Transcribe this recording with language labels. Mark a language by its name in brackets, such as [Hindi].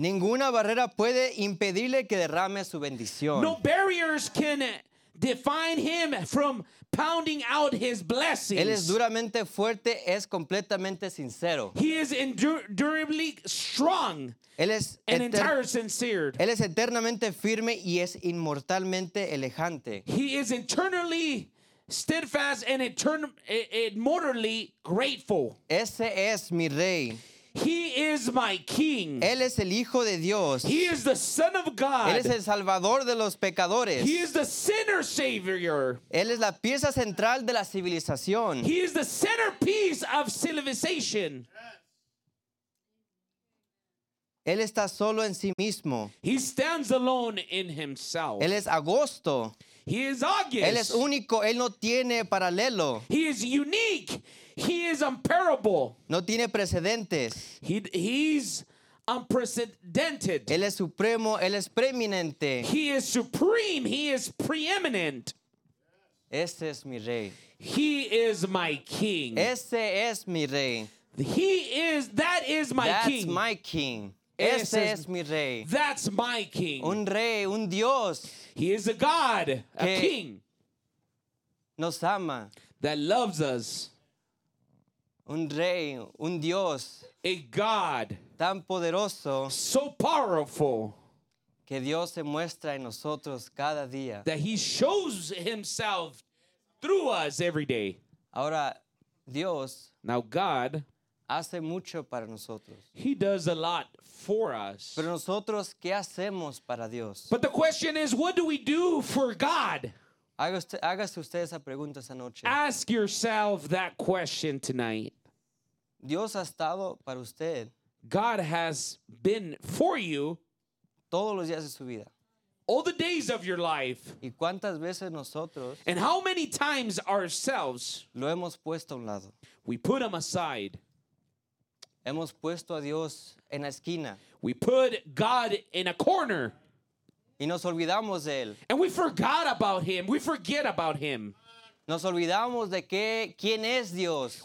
[Spanish] Ninguna barrera puede impedirle que derrame su bendición. [English] No barriers can define him from pounding out his blessings. [Spanish] Él es duramente fuerte, es completamente sincero. [English] He is endurably strong. [Spanish] Él es [English] entirely sincere. [Spanish] Él es eternamente firme y es inmortalmente elegante. [English] He is eternally steadfast and immortally grateful. [Spanish] Ese es mi rey. [English] He is my king. [Spanish] Él es el hijo de Dios. [English] He is the son of God. [Spanish] Él es el salvador de los pecadores. [English] He is the sinner savior. [Spanish] Él es la pieza central de la civilización. [English] He is the centerpiece of civilization. [Spanish] Él está solo en sí mismo. [English] He stands alone in himself. [Spanish] Él es agosto. [English] He is August. [Spanish] Él es único. Él no tiene paralelo. [English] He is unique. He is unparable. [Spanish] No tiene precedentes. [English] He's unprecedented. [Spanish] Él es supremo. Él es preeminente. [English] He is supreme. He is preeminent. [Spanish] Este es mi rey. [English] He is my king. [Spanish] Este es mi rey. [English] That is my king. That's my king. [Spanish] Ese es mi rey. [English] That's my king. [Spanish] Un rey, un Dios. [English] He is a God, a king. [Spanish] Nos ama. [English] That loves us. [Spanish] Un rey, un Dios. [English] A God. [Spanish] Tan poderoso. [English] So powerful. [Spanish] Que Dios se muestra en nosotros cada día. [English] That he shows himself through us every day. [Spanish] Ahora, Dios. [English] Now God. [Spanish] Hace mucho para nosotros. [English] He does a lot for us. [Spanish] Pero nosotros, ¿qué hacemos para Dios? [English] But the question is, what do we do for God? [Spanish] Hágase usted esa pregunta esa noche. [English] Ask yourself that question tonight. [Spanish] Dios ha estado para usted. [English] God has been for you. [Spanish] Todos los días de su vida. [English] All the days of your life. [Spanish] ¿Y cuántas veces nosotros? [English] And how many times ourselves? [Spanish] Lo hemos puesto a un lado. [English] We put him aside. [Spanish] Hemos puesto a Dios en la esquina. [English] We put God in a corner. [Spanish] Y nos olvidamos de él. [English] And we forgot about him. We forget about him. [Spanish] Nos olvidamos de qué, quién es Dios.